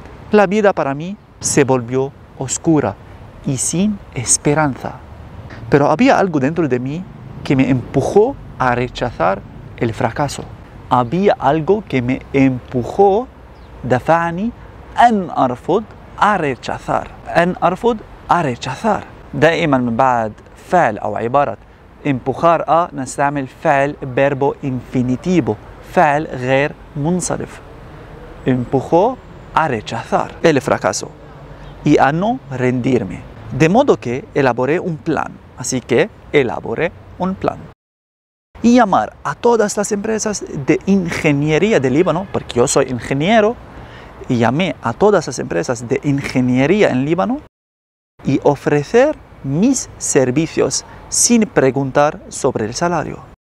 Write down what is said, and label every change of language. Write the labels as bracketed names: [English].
[Spanish] La vida para mí se volvió oscura y sin esperanza. Pero había algo dentro de mí que me empujó a rechazar el fracaso. Había algo que me empujó [Arabic] دفعني أن أرفض [Spanish] a rechazar. [Arabic] أن أرفض [Spanish] a rechazar. [Arabic] دائما من بعد فعل أو عبارة [Spanish] empujar a [Arabic] نستعمل فعل [Spanish] verbo infinitivo. [Arabic] فعل غير منصرف. [Spanish] Empujó a rechazar el fracaso y a no rendirme. De modo que elaboré un plan. Así que elaboré un plan. Y llamar a todas las empresas de ingeniería de Líbano, porque yo soy ingeniero, y llamé a todas las empresas de ingeniería en Líbano y ofrecer mis servicios sin preguntar sobre el salario.